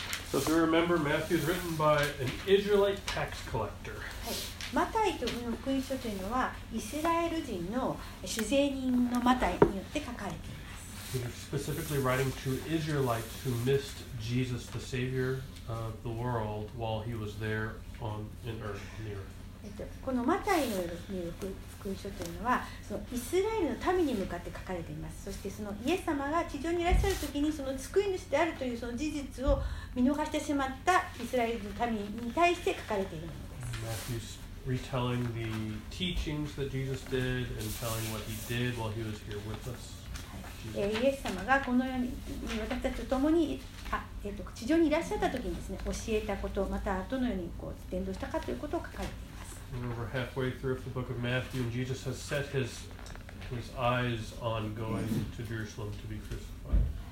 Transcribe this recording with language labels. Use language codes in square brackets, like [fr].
[en] So if you remember, Matthew is written by an Israelite tax collector. [ja] マタイという福音書というのはイスラエル人の主税人のマタイによって書かれています。 [en] He's specifically writing to Israelites who missed Jesus, the Savior of the world, while he was there on in earth, in the earth. [ja] このマタイによる福音書というのはそのイスラエルの民に向かって書かれています。そしてそのイエス様が地上にいらっしゃるときにその救い主であるというその事実を見逃してしまったイスラエルの民に対して書かれているのです。 [en] Matthew's retelling the teachings that Jesus did and telling what he did while he was here with us、 [ja] はい、イエス様がこのように私たちと共に地上にいらっしゃったときにですね、教えたこと、またどのようにこう伝道したかということを書かれています。 [en] We're over halfway through the book of Matthew, and Jesus has set his eyes on going to Jerusalem to be crucified.